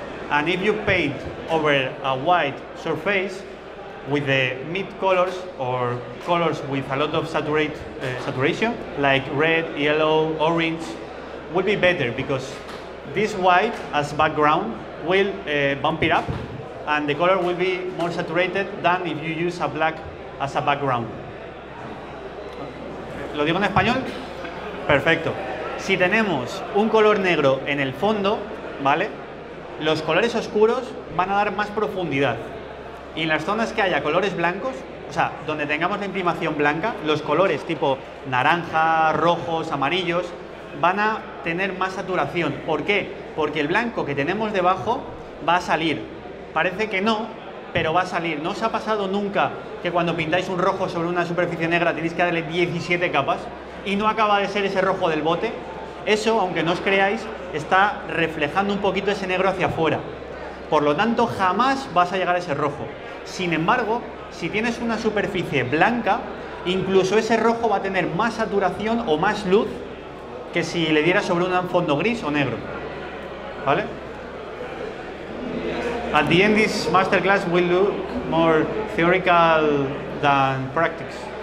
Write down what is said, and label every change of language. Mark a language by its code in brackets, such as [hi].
[en] And if you paint over a white surface with the mid colors or colors with a lot of saturation, like red, yellow, orange, will be better because this white as background will bump it up and the color will be more saturated than if you use a black as a background. [es] ¿Lo digo en español? Perfecto. Si tenemos un color negro en el fondo, ¿vale? Los colores oscuros van a dar más profundidad. Y en las zonas que haya colores blancos, o sea, donde tengamos la imprimación blanca, los colores tipo naranja, rojos, amarillos, van a tener más saturación. ¿Por qué? Porque el blanco que tenemos debajo va a salir. Parece que no, pero va a salir. ¿No os ha pasado nunca que cuando pintáis un rojo sobre una superficie negra tenéis que darle 17 capas y no acaba de ser ese rojo del bote? Eso, aunque no os creáis, está reflejando un poquito ese negro hacia afuera. Por lo tanto, jamás vas a llegar a ese rojo. Sin embargo, si tienes una superficie blanca, incluso ese rojo va a tener más saturación o más luz que si le diera sobre un fondo gris o negro. ¿Vale? [en] At the end, this masterclass will look more theoretical than practice.